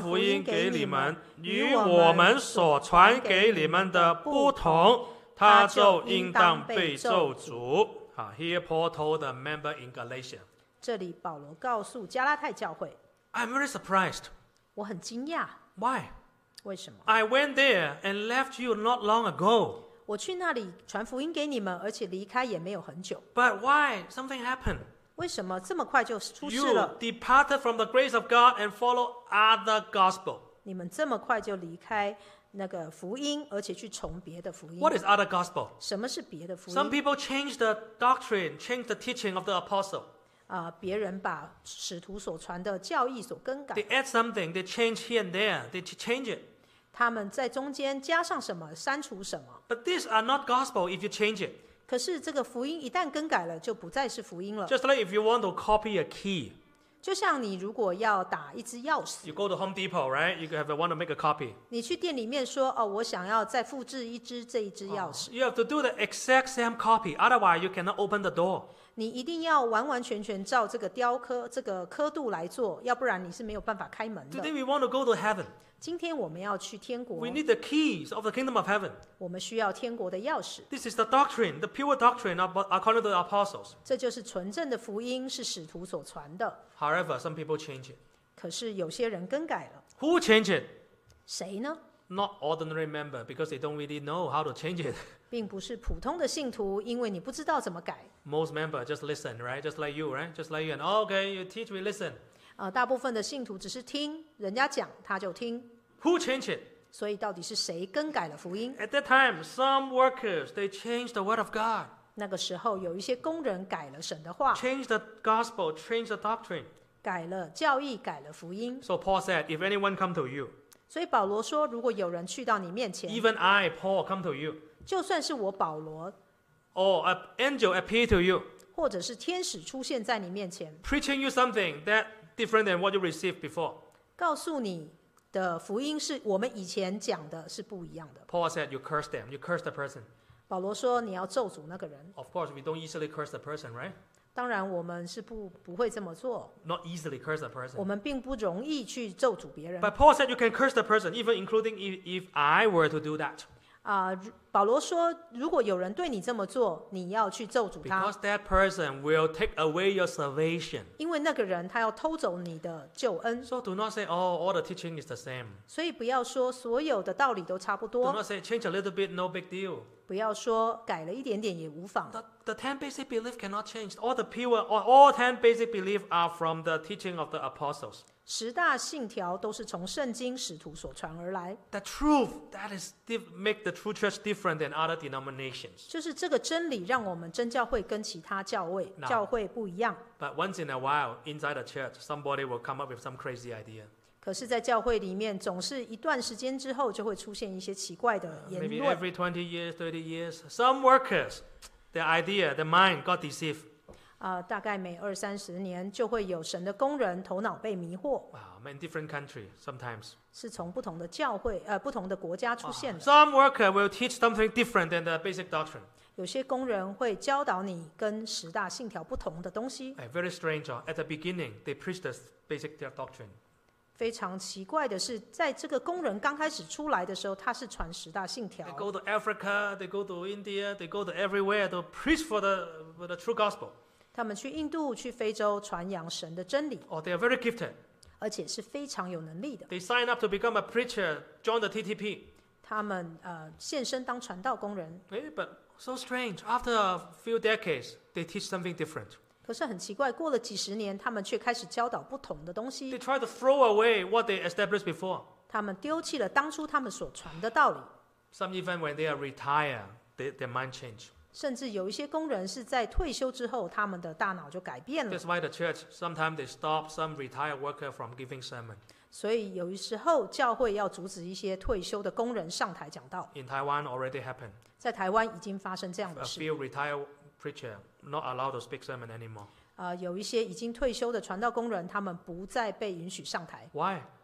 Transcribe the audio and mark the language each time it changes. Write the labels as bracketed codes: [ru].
[zh] 福音给你们，与我们所传给你们的不同，他就应当被咒诅。 [en] Here Paul told the member in Galatia. [zh] 这里保罗告诉加拉太教会。 [en] I'm very surprised. [zh] 我很惊讶。 [en] Why? [zh] 为什么？ [en] I went there and left you not long ago. [zh] 我去那里传福音给你们，而且离开也没有很久。 [en] But why? Something happened. [zh] 为什么这么快就出事了？ [en] You departed from the grace of God and follow other gospel. [zh] 你们这么快就离开那个福音，而且去从别的福音。 [en] What is other gospel? [zh] 什么是别的福音？ [en] Some people change the doctrine, change the teaching of the apostle. [zh] 别人把使徒所传的教义所更改。 [en] They add something, they change here and there, they change it. [zh] 他们在中间加上什么，删除什么。 [en] But these are not gospel if you change it. [zh] 可是这个福音一旦更改了，就不再是福音了。 [en] Just like if you want to copy a key, [zh] 就像你如果要打一支钥匙 [en] You go to Home Depot, right? You have to want to make a copy. [zh] 你去店里面说、哦、我想要再复制一支这一支钥匙、 [en] You have to do the exact same copy. Otherwise, you cannot open the door. [zh] 你一定要完完全全照这个雕刻、这个刻度来做，要不然你是没有办法开门的。 [en] Today we want to go to heaven. [zh] 今天我们要去天国。 [en] We need the keys of the kingdom of heaven. [zh] 我们需要天国的钥匙。 [en] This is the doctrine, the pure doctrine according to the apostles. [zh] 这就是纯正的福音，是使徒所传的。 [en] However, some people change it. [zh] 可是有些人更改了。 [en] Who change it? [zh] 谁呢？ [en] Not ordinary member, because they don't really know how to change it. [zh] 并不是普通的信徒，因为你不知道怎么改。 [en] Most members just listen, right? Just like you, right? Just like you. And, okay, you teach, we listen. [zh] 大部分的信徒只是听，人家讲他就听。 [en] Who change it? [zh] 所以到底是谁更改了福音？ [en] At that time, some workers, they changed the word of God. [zh] 那个时候有一些工人改了神的话。 [en] Change the gospel, change the doctrine. [zh] 改了教义，改了福音。 [en] So Paul said, if anyone come to you, [zh] 所以保罗说，如果有人去到你面前， [en] even I, Paul, come to you, [zh] 就算是我保罗， [en] or an angel appear to you, [zh] 或者是天使出现在你面前， [en] preaching you something that different than what you received before, [zh] 告诉你的福音是我们以前讲的是不一样的。 [en] Paul said, you curse them, you curse the person. [zh] 保罗说，你要咒诅那个人。 [en] Of course, we don't easily curse the person, right? [zh] 当然我们是 不会这么做。 [en] Not easily curse a person. [zh] 我们并不容易去咒诅别人。 [en] But Paul said you can curse the person, even including if I were to do that. [zh] 保罗说如果有人对你这么做，你要去咒诅他。 [en] Because that person will take away your salvation. [zh] 因为那个人他要偷走你的救恩。 [en] So do not say, oh, all the teaching is the same. [zh] 所以不要说所有的道理都差不多。 [en] Do not say, change a little bit, no big deal. [zh] 不要说改了一点点也无妨。 [en] The ten basic beliefs cannot change. All the pure, all ten basic beliefs are from the teaching of the apostles. [zh] 十大信条都是从圣经使徒所传而来。 [en] The truth that is make the true church different than other denominations. [zh] 就是这个真理让我们真教会跟其他教会不一样。 [en] But once in a while, inside the church, somebody will come up with some crazy idea. [zh] 可是在教会里面总是一段时间之后就会出现一些奇怪的言论。 [en] Maybe every 20 years, 30 years, some workers, their idea, their mind got deceived. [zh] 大概每二三十年就会有神的工人头脑被迷惑。 [en] Wow, in different countries, sometimes. [zh] 是从不同的教会、不同的国家出现的。 [en] Some worker will teach something different than the basic doctrine. [zh] 有些工人会教导你跟十大信条不同的东西。 [en] Hey, very strange, at the beginning, they preach the basic doctrine. [zh] 非常奇怪的是，在这个工人刚开始出来的时候，他是传十大信条。 [en] They go to Africa, they go to India, they go to everywhere to preach for the true gospel. [zh] 他们去印度、去非洲传扬神的真理。 [en] Oh, they are very gifted. [zh] 而且是非常有能力的。 [en] They sign up to become a preacher, join the TTP. [zh] 他们献身当传道工人。 [en] Hey, but so strange. After a few decades, they teach something different. [zh] 可是很奇怪，过了几十年，他们却开始教导不同的东西。 [en] They try to throw away what they established before. [zh] 他们丢弃了当初他们所传的道理。 [en] Some even when they are retired, their mind change. [zh] 甚至有一些工人是在退休之后，他们的大脑就改变了。 [en] That's why the church sometimes they stop some retired worker from giving sermon. [zh] 所以有时候教会要阻止一些退休的工人上台讲道。 [en] In Taiwan already happened. [zh] 在台湾已经发生这样的事。 [en] A few retired preacher. Not allowed to speak sermon anymore. [zh] 有一些已经退休的传道工人，他们不再被允许上台。 [en] Why?